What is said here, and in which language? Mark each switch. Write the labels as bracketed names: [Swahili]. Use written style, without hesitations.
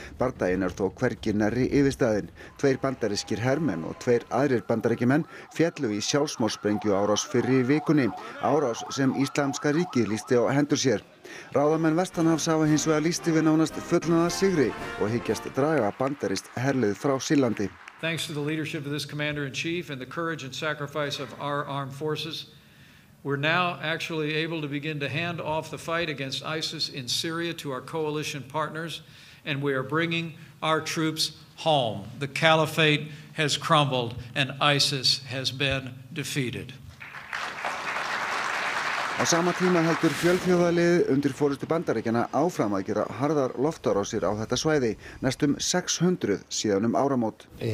[Icelandic] Bardaginn er þó hvergi nærri yfirstaðinn. Tveir bandarískir hermenn og tveir aðrir bandaríkjamenn féllu í sjálfsmorðsprengju árás fyrri vikunni. Árás sem Íslamska ríkið lýsti á hendur sér. Ráðamenn vestanhafs hafa hins vegar lýsti við nánast fullnaða sigri og hyggjast draga bandarískt herlið frá Sýrlandi. [English] Thanks to the leadership of this commander in chief and the courage and sacrifice of our armed forces. We're now actually able to begin to hand off the fight against ISIS in Syria to our coalition partners, and we are bringing our troops home. The caliphate has crumbled, and ISIS has been defeated. [Icelandic] Á sama tíma heldur fjölþjóðalið undir forystu Bandaríkjanna áfram að gera harðar loftárásir á þetta svæði, næstum 600 síðan áramót.